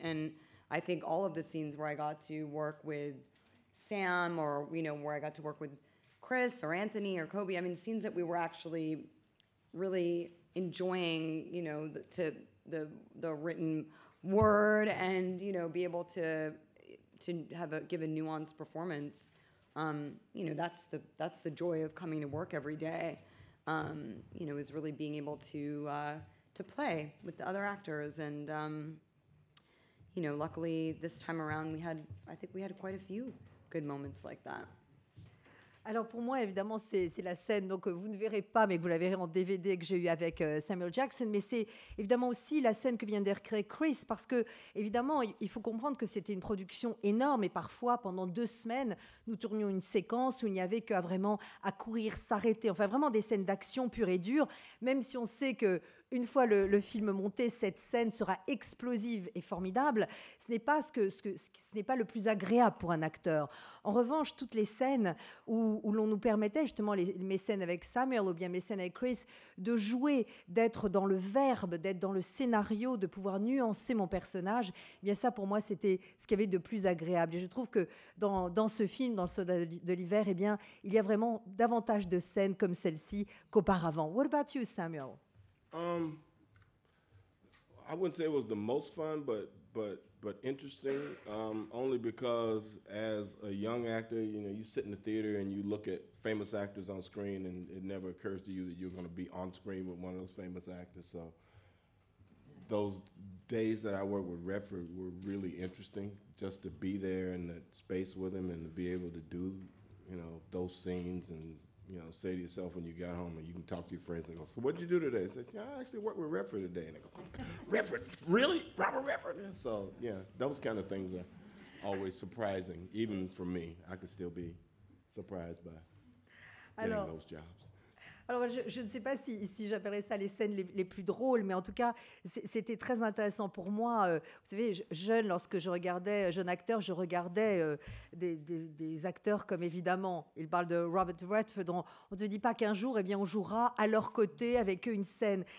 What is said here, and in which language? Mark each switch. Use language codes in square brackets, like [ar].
[en] And I think all of the scenes where I got to work with Sam, or, you know, where I got to work with Chris or Anthony or Kobe, I mean, scenes that we were actually really enjoying, you know, the written word, and, you know, be able to have give a nuanced performance, you know, that's the joy of coming to work every day, you know, is really being able to play with the other actors. And you know, luckily this time around I think we had quite a few good moments like that. [fr] Alors pour moi, évidemment, c'est la scène donc vous ne verrez pas, mais que vous la verrez en DVD, que j'ai eue avec Samuel Jackson. Mais c'est évidemment aussi la scène que vient de recréer Chris, parce que évidemment, il faut comprendre que c'était une production énorme, et parfois pendant 2 semaines, nous tournions une séquence où il n'y avait qu'à vraiment à courir, s'arrêter. Enfin, vraiment des scènes d'action pure et dure, même si on sait que une fois le film monté, cette scène sera explosive et formidable. Ce n'est pas le plus agréable pour un acteur. En revanche, toutes les scènes où l'on nous permettait, justement, mes scènes avec Samuel ou bien mes scènes avec Chris, de jouer, d'être dans le verbe, d'être dans le scénario, de pouvoir nuancer mon personnage, eh bien ça, pour moi, c'était ce qu'il y avait de plus agréable. Et je trouve que dans ce film, dans Le Soldat de l'hiver, eh bien, il y a vraiment davantage de scènes comme celle-ci qu'auparavant. [en] What about you, Samuel? I wouldn't say it was the most fun, but but interesting, only because as a young actor, you know, you sit in the theater and you look at famous actors on screen, and it never occurs to you that you're going to be on screen with one of those famous actors. So those days that I worked with Redford were really interesting, just to be there in that space with him and to be able to do, you know, those scenes and, you know, say to yourself when you got home, and you can talk to your friends and go, so what'd you do today? I said, yeah, I actually worked with Redford today. And they go, Redford, really? Robert Redford? And so, yeah, those kind of things are always surprising, even for me. I could still be surprised by getting those jobs. [fr] Alors, je ne sais pas si j'appellerais ça les scènes les plus drôles, mais en tout cas, c'était très intéressant pour moi. Vous savez, jeune acteur, je regardais des acteurs comme, évidemment, ils parlent de Robert Redford. On ne se dit pas qu'un jour, eh bien, on jouera à leur côté avec eux une scène.